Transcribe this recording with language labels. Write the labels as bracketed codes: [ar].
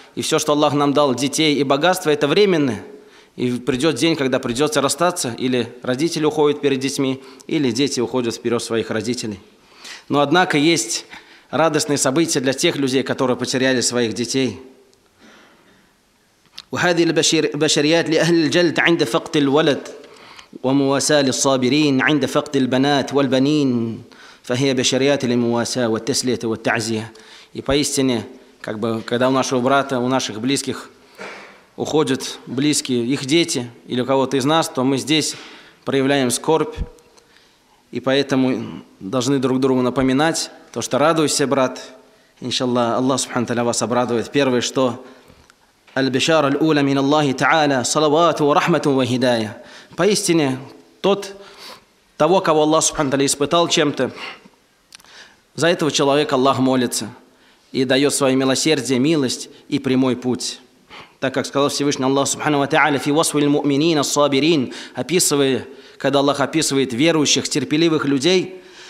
[ru] И все, что Аллах нам дал, детей и богатство, это временно. И придет день, когда придется расстаться. Или родители уходят перед детьми, или дети уходят вперед своих родителей. Но однако есть радостные события для тех людей, которые потеряли своих детей. [ar] وهذه البشريات لأهل الجلد عند فقد الولد ومواساة للصابرين عند فقد البنات والبنين فهي بشريات للمواساة والتسلية والتعزية. [ru] И поистине, как бы, когда у нашего брата, у наших близких уходят близкие, их дети или кого-то из нас, то мы здесь проявляем скорбь, и поэтому должны друг другу напоминать то, что радуйся, брат, иншаллах, Аллах субхана тааля вас обрадует. Первое, что [ar] البشارة الأولى من الله تعالى صلوات ورحمة وهداية. [ru] Поистине, тот, того, кого Аллах Субхану Тааля испытал чем-то, за этого человека Аллах молится и дает свое милосердие, милость и прямой путь. Так как сказал Всевышний Аллах Субхану Тааля [ar] في وصف المؤمنين الصابرين, [ru] описывая, когда Аллах описывает верующих, терпеливых людей: